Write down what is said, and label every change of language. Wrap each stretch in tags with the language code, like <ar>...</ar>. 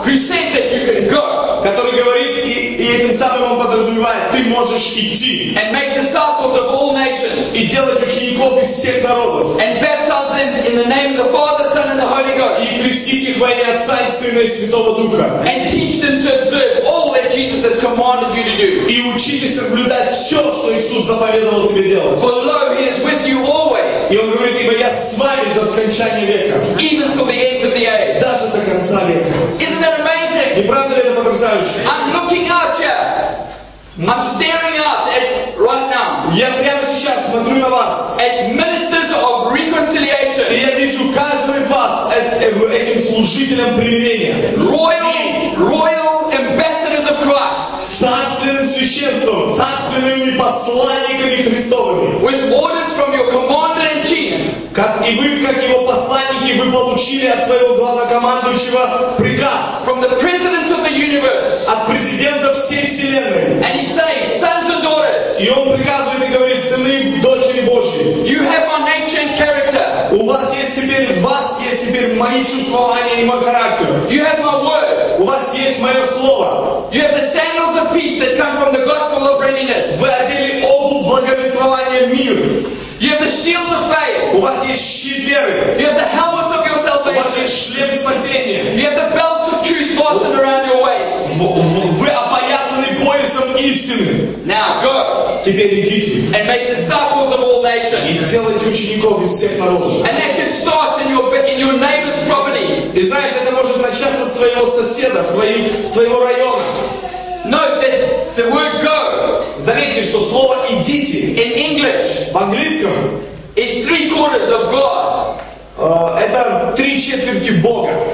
<en>He said that you can go.</en> <ru>Который говорит, и этим самым он подразумевает, ты можешь идти.</ru> <en>And make disciples of all nations.</en> <ru>И делать учеников из всех народов.</ru> <en>And baptize them in the name of the Father, Son, and the Holy Ghost.</en> <ru>И крестить их во имя Отца и Сына и Святого Духа.</ru> <en>And teach them to observe all that Jesus has commanded you to do.</en> <ru>И учите соблюдать все, что Иисус заповедовал тебе делать.</ru> <en>For lo, He is with you always.</en> <ru>И он говорит, ибо я с вами до скончания века.</ru> <en>Even till the end of the age.</en> <ru>Даже до конца века.</ru> <en>Isn't that amazing?</en> <ru>Не правда ли это потрясающе?</ru> <en>I'm looking at you. I'm staring out at right now.</en> <ru>Я прямо сейчас смотрю на вас.</ru> <en>At ministers of reconciliation.</en> <ru>И я вижу каждого из вас этим служителем примирения.</ru> <en>Royal ambassadors of Christ.</en> <ru>Царственным священством, царственными посланниками Христовыми.</ru> <en>With orders from your commander in chief.</en> <ru>Как и вы, как его посланники, вы получили от своего главнокомандующего приказ.</ru> <en>From the president of the universe.</en> <ru>От президента всей вселенной.</ru> <en>And he's saying, sons and daughters.</en> <ru>И он приказывает и говорит, сыны, дочери Божьи.</ru> <en>You have my nature and character.</en> <ru>У вас есть теперь, мои чувствования и мой характер.</ru> <en>You have my word.</en> <ru>У вас есть мое слово.</ru> <en>You have the sandals of peace that come from the gospel of readiness.</en> <ru>Вы одели обувь благовествования мир.</ru> <en>You have the shield of faith.</en> <ru>У вас есть щит веры.</ru> <en>You have the helmet of your salvation.</en> <ru>У вас есть шлем спасения.</ru> <en>You have the belt of truth fastened around your waist.</en> <ru>Вы опоясаны поясом истины.</ru> <en>Now go.</en> <ru>Теперь идите.</ru> <en>And make disciples of all nations.</en> <ru>И сделайте учеников из всех народов.</ru> <en>And that can start in your neighbor's property.</en> <ru>И знаешь, это может начаться с своего соседа, своего района.</ru> <en>No, the word go.</en> <ru>Заметьте, что слово идите.</ru> <en>In English.</en> <ru>В английском.</ru> <en>Is three quarters of God.</en> <ru>Это три четверти Бога.</ru>